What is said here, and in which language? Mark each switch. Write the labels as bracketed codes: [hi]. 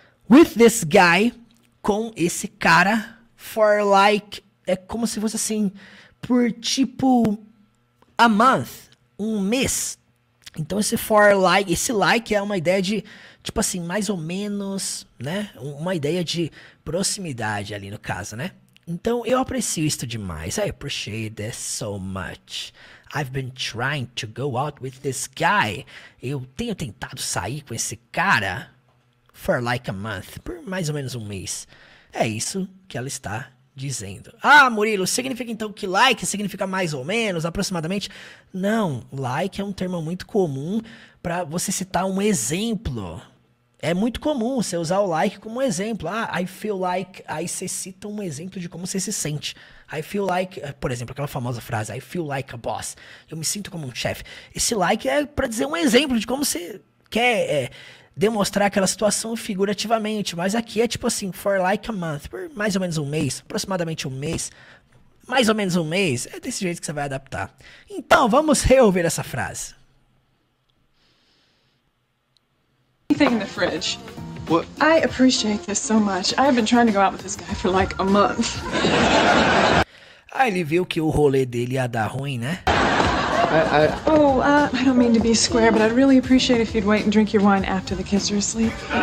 [en] With this guy, [pt] com esse cara, [en] for like, [pt] é como se fosse assim, por tipo [en] a month, [pt] um mês. Então esse for like, esse like é uma ideia de, tipo assim, mais ou menos, né? Uma ideia de proximidade ali no caso, né? Então eu aprecio isto demais. [en] I appreciate this so much. I've been trying to go out with this guy. [pt] Eu tenho tentado sair com esse cara [en] for like a month, [pt] por mais ou menos um mês. É isso que ela está dizendo. Ah, Murilo, significa então que like significa mais ou menos, aproximadamente? Não, like é um termo muito comum para você citar um exemplo. É muito comum você usar o like como exemplo. Ah, [en] I feel like, [pt] aí você cita um exemplo de como você se sente. [en] I feel like, [pt] por exemplo, aquela famosa frase, [en] I feel like a boss. [pt] Eu me sinto como um chefe. Esse like é para dizer um exemplo de como você quer demonstrar aquela situação figurativamente, mas aqui é tipo assim, [en] for like a month, [pt] por mais ou menos um mês, aproximadamente um mês, mais ou menos um mês, é desse jeito que você vai adaptar. Então, vamos reouvir essa frase. [en] Anything in the fridge. What? I appreciate this so much. I have been trying to go out with this guy for like a month. [pt] Ah, ele viu que o rolê dele ia dar ruim, né? [en] I don't mean to be square, but I'd really appreciate if you'd wait and drink your wine after the kids are asleep.